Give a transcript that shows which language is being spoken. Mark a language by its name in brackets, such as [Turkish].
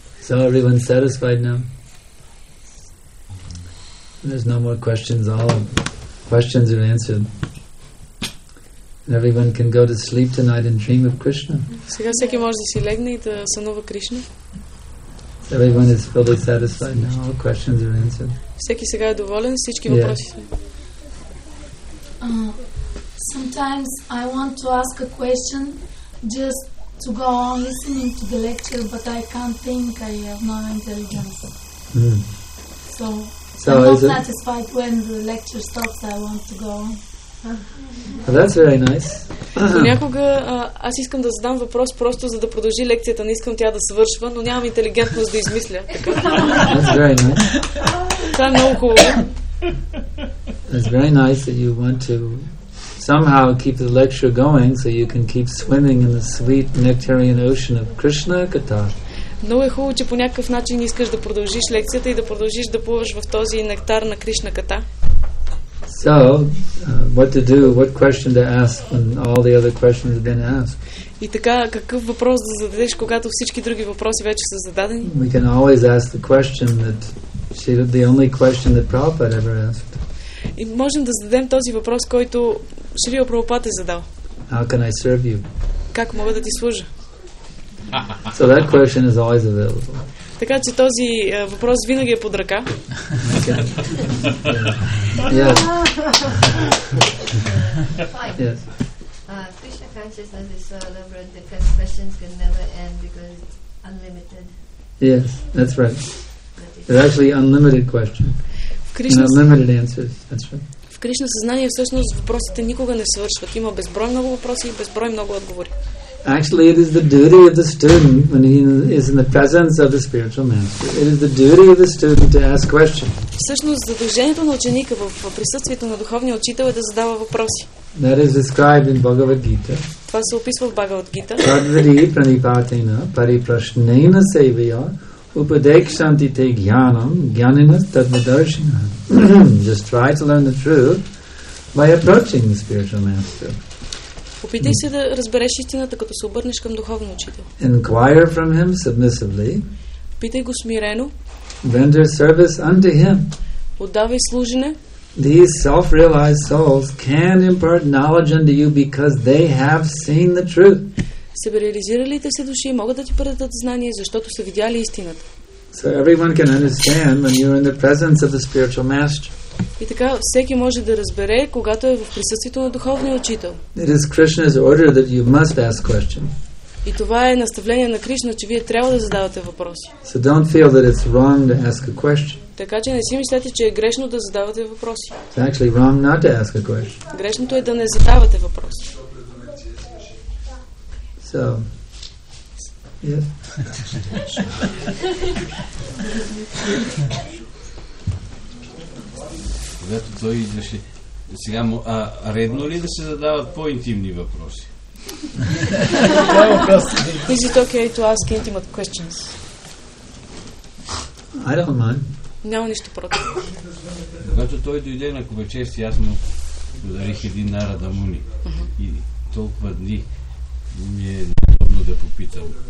[English] So everyone satisfied now? There's no more questions. All questions are answered. And everyone can go to sleep tonight and dream of Krishna. [Bulgarian] Сега всеки може да си легне и да сънува Кришна. [English] Everyone is fully satisfied now. All questions are answered. [Bulgarian] Всеки сега е доволен, всички въпроси. [English] Yes. Sometimes I want to ask a question just to go on listening to the lecture, but I can't think, I have no intelligence. Mm. So I'm not satisfied when the lecture stops, I want to go on. That's very nice. [Bulgarian] Понякога аз искам да задам въпрос просто за да продължи лекцията, не искам тя да свършва, но нямам интелигентност да измисля. [English] That's very nice. [Bulgarian] Това е много хубаво. [English] That's very nice that you want to somehow keep the lecture going so you can keep swimming in the sweet nectarian ocean of Krishna Katha. [Bulgarian] Много е хубаво, че по някакъв начин искаш да продължиш лекцията и да продължиш да плуваш в този нектар на Кришна Катха. [English] So, what to do, what question to ask when all the other questions have been asked? [Bulgarian] И така, какъв въпрос да зададеш, когато всички други въпроси вече са зададени? [English] We can always ask the question that she did the only question that Prabhupada ever asked. [Bulgarian] И можем да зададем този въпрос, който Шрила Прабхупад е задал. [English] How can I serve you? [Bulgarian] Как мога да ти служа? [English] So that question is always available. [Bulgarian] Така че този въпрос винаги е под ръка. [English] Krishna consciousness is so elaborate that questions can never end because it's unlimited. Yes, that's right. There's actually unlimited questions. And unlimited answers, that's right. [Bulgarian] В Кришна съзнание всъщност въпросите никога не свършват. Има безброй много въпроси и безброй много отговори. [English] Actually, it is the duty of the student when he is in the presence of the spiritual master. It is the duty of the student to ask questions. [Bulgarian] Всъщност, задължението на ученика в присъствието на духовния учител е да задава въпроси. [English] That is described in Bhagavad Gita. [Bulgarian] Това се описва в Бхагавад Гита. [Sanskrit] Padvari pranipatena pariprashnena sevaya upadekshanti te gyanam gyanina tadmadarshina. [English] Just try to learn the truth by approaching the spiritual master. [Bulgarian] Опитай се да разбереш истината, като се обърнеш към духовния учител. [English] Inquire from him submissively. [Bulgarian] Питай го смирено. [English] Render service unto him. [Bulgarian] Отдавай служене. [English] These self-realized souls can impart knowledge unto you because they have seen the truth. [Bulgarian] Себереализиралите се души могат да ти предадат знание, защото са видяли истината. [English] So everyone can understand when you're in the presence of the spiritual master. [Bulgarian] И така всеки може да разбере, когато е в присъствието на духовния учител. [English] It is Krishna's order that you must ask questions. [Bulgarian] И това е наставление на Кришна, че вие трябва да задавате въпроси. [English] So don't feel that it's wrong to ask a question. [Bulgarian] Така че не си мислете, че е грешно да задавате въпроси. [English] It's actually wrong not to ask a question. [Bulgarian] Грешното е да не задавате въпроси. [English] So, yes. [Bulgarian] Когато той идваше, сега редно ли да се задават по-интимни въпроси? [English] Is it okay to ask intimate questions? I don't mind. [Bulgarian] Няма нищо против. Когато той дойде на Кубачевци, аз му подарих един Нарада Муни. И толкова дни ми е неудобно да попитам.